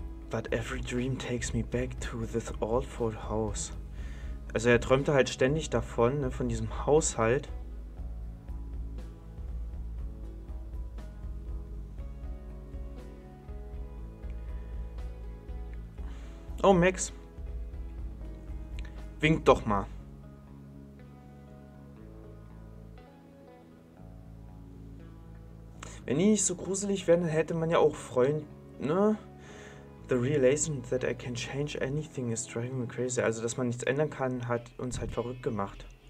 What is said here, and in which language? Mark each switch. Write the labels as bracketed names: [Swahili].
[English] But every dream takes me back to this awful house. [German] Also er träumte halt ständig davon, ne, von diesem Haushalt. Oh, Max. Wink doch mal. Wenn die nicht so gruselig wären, dann hätte man ja auch Freunde, ne? [English] The realization that I can change anything is driving me crazy. [German] Also, dass man nichts ändern kann, hat uns halt verrückt gemacht.